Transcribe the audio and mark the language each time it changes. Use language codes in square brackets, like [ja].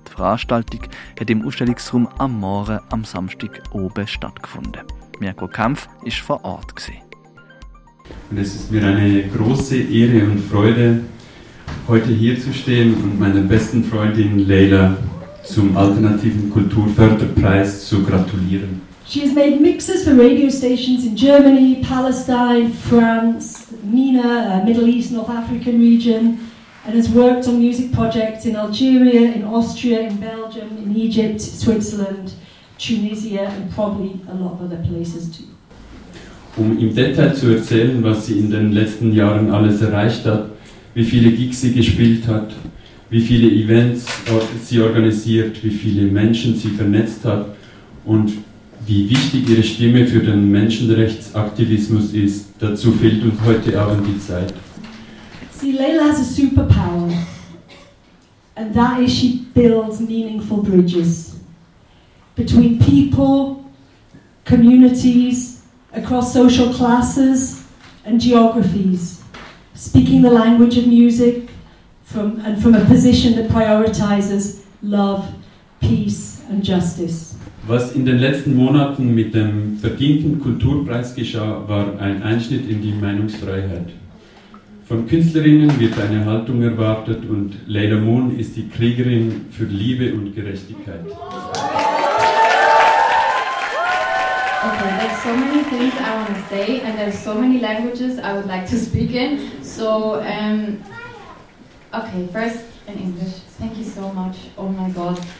[de] Die Veranstaltung hat im Ausstellungsraum am Morgen am Samstag oben stattgefunden. Mirko Kempf war vor Ort. Und es ist mir eine große Ehre und Freude, heute hier zu stehen und meiner besten Freundin Leila zum alternativen Kulturförderpreis zu gratulieren. [en] She has made mixes for radio stations in Germany, Palestine, France, MENA, Middle East, North African region, and has worked on music projects in Algeria, in Austria, in Belgium, in Egypt, Switzerland, Tunisia, and probably a lot of other places too. [de] Um im Detail zu erzählen, was sie in den letzten Jahren alles erreicht hat, wie viele Gigs sie gespielt hat, wie viele Events sie organisiert, wie viele Menschen sie vernetzt hat und wie wichtig ihre Stimme für den Menschenrechtsaktivismus ist, dazu fehlt uns heute Abend die Zeit. [en] See, Leila has a superpower. And that is she builds meaningful bridges. Between people, communities, across social classes and geographies. Speaking the language of music from a position that prioritizes love, peace and justice. [de] Was in den letzten Monaten mit dem verdienten Kulturpreis geschah, war ein Einschnitt in die Meinungsfreiheit. Von Künstlerinnen wird eine Haltung erwartet und Leila Moon ist die Kriegerin für Liebe und Gerechtigkeit. [en] Okay, there's so many things I want to say and there's so many languages I would like to speak in. So, okay, first in English. Thank you so much. Oh my God.